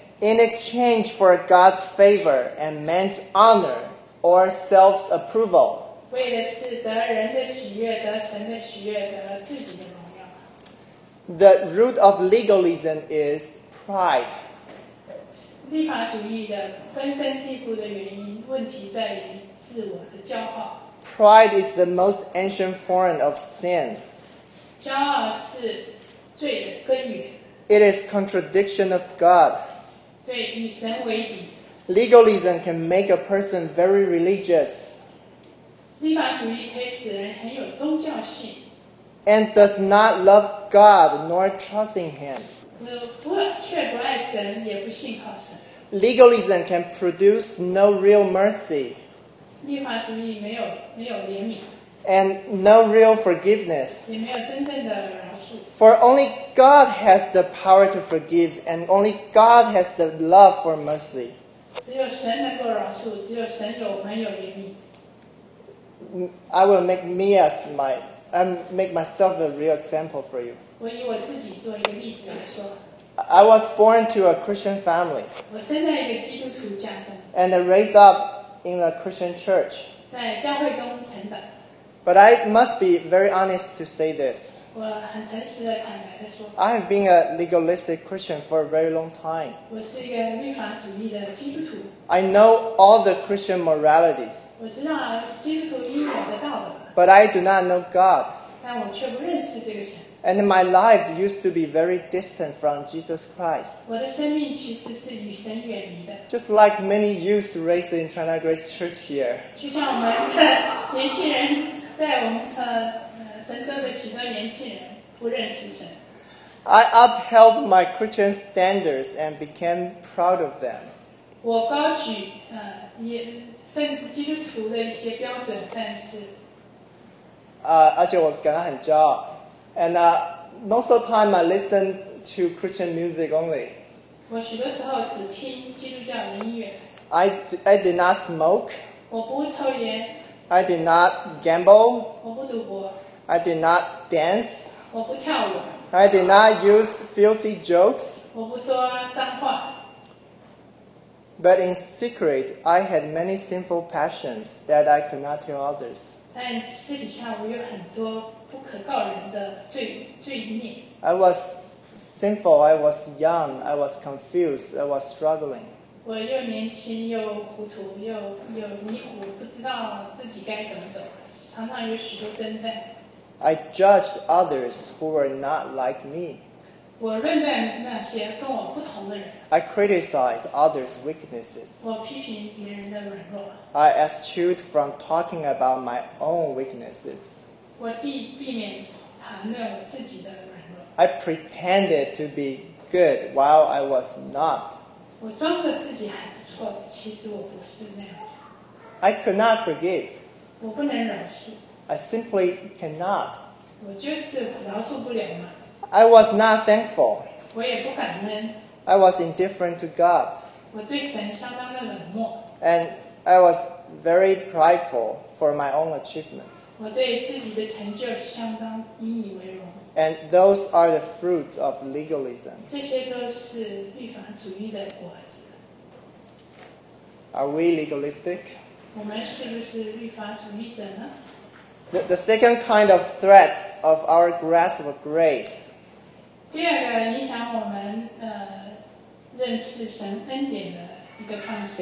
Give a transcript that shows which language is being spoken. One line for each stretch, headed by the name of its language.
English: In exchange for God's favor and man's honor or self's approval.
Chinese: 为的是得人的喜悦，得神的喜悦，得自己的荣耀。
English: The root of legalism is pride.
Chinese: 立法主义的根深蒂固的原因，问题在于自我的骄傲。
English: Pride is the most ancient form of sin.
Chinese: 骄傲是罪的根源。
English: It is contradiction of God.
Chinese: 对，与神为敌。
English: Legalism can make a person very religious.
Chinese: 立法主义可以使人很有宗教性。
English: And does not love God nor trust in Him.
Chinese: 却不爱神，也不信靠神。
English: Legalism can produce no real mercy.
Chinese: 立法主义没有怜悯
English: and no real forgiveness.
Chinese: 也没有真正的饶恕
English: For only God has the power to forgive, and only God has the love for mercy.
Chinese: 只有神能够饶恕，只有神有没有怜悯
English: I will make me as my, I make myself a real example for you.
Chinese: 我以我自己做一个例子来说。
English: I was born to a Christian family.
Chinese: 我生在一个基督徒家中。
English: And I raised up. In a Christian church.
Chinese: 在教会中成长。
English: But I must be very honest to say this.
Chinese: 我很诚实地坦白地说。
English: I have been a legalistic Christian for a very long time.
Chinese: 我是一个律法主义的基督徒。
English: I know all the Christian moralities.
Chinese: 我知道基督徒应有的道德。
English: But I do not know God.
Chinese: 但我却不认识这个神。
English: And my life used to be very distant from Jesus Christ.
Chinese: 我的生命其实是与神远离的。
English: Just like many youth raised in China Grace Church here.
Chinese: 就像我们的年轻人，在我们神州的许多年轻人不认识神。
English: I upheld my Christian standards and became proud of them.
Chinese: 我高举也圣基督徒的一些标准，但是，而且我感到很骄傲。
English: And most of the time, I listen to Christian music only.
Chinese: 我许多时候只听基督教音乐。
English: I did not smoke.
Chinese: 我不抽烟。
English: I did not gamble.
Chinese: 我不赌博。
English: I did not dance.
Chinese: 我不跳舞。
English: I did not use filthy jokes.
Chinese: 我不说脏话。
English: But in secret, I had many sinful passions that I could not tell others.
Chinese: 但私底下我有很多。不可告人的罪孽。
English: I was sinful, I was young, I was confused, I was struggling.
Chinese: 我又年轻又糊涂又迷糊，不知道自己该怎么走，常常有许多征战。
English: I judged others who were not like me.
Chinese: 我论断那些跟我不同的人。
English: I criticize others' weaknesses.
Chinese: 我批评别人的软弱。
English: I eschewed from talking about my own weaknesses.
Chinese: 我避免谈论我自己的软弱。
English: I pretended to be good while I was not.
Chinese: 我装着自己还不错，其实我不是那样。
English: I could not forgive.
Chinese: 我不能饶恕。
English: I simply cannot.
Chinese: 我就是饶恕不了嘛。
English: I was not thankful.
Chinese: 我也不感恩。
English: I was indifferent to God.
Chinese: 我对神相当的冷漠。
English: And I was very prideful for my own achievements.
Chinese: 我对自己的成就相当引以为荣。
English: And those are the fruits of legalism.
Chinese: 这些都是律法主义的果子。
English: Are we legalistic?
Chinese: 我们是不是律法主义者呢？
English: The second kind of threat of our grasp of grace.
Chinese: 第二个影响我们认识神恩典的一个方式。